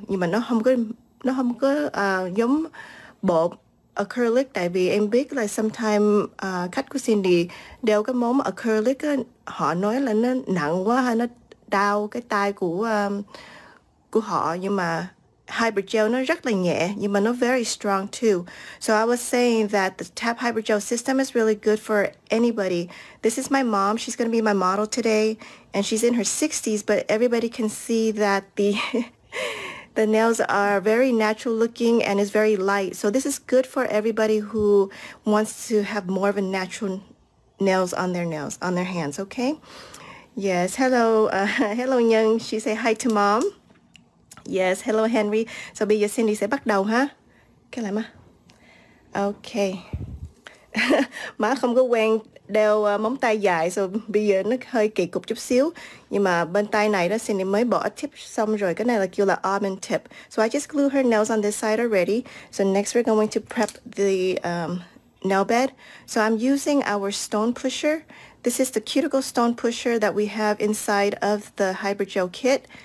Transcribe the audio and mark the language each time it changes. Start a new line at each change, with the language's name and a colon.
Vietnamese: Nhưng mà nó không có giống bột acrylic. Tại vì em biết là sometimes khách của Cindy đeo cái móng acrylic, họ nói là nó nặng quá hay nó đau cái tay của họ, nhưng mà Hypergel nó rất là nhẹ, nhưng mà nó
English: very strong too. So I was saying that the T.A.P Hypergel system is really good for anybody. This is my mom, she's going to be my model today, and she's in her 60s, but everybody can see that the the nails are very natural looking and is very light. So this is good for everybody who wants to have more of a natural nails on their nails, on their hands, okay? Yes, hello, hello Nhung. She say hi to mom. Yes, hello Henry.
Vietnamese: So bây giờ Cindy sẽ bắt đầu ha. Cái này má. Okay. Má không có quen đeo móng tay dài, so bây giờ nó hơi kỳ cục chút xíu. Nhưng mà bên tay này đó, Cindy mới bỏ tip xong rồi. Cái này là kêu là almond tip.
English: So I just glue her nails on this side already. So next we're going to prep the nail bed. So I'm using our stone pusher. This is the cuticle stone pusher that we have inside of the Hypergel kit.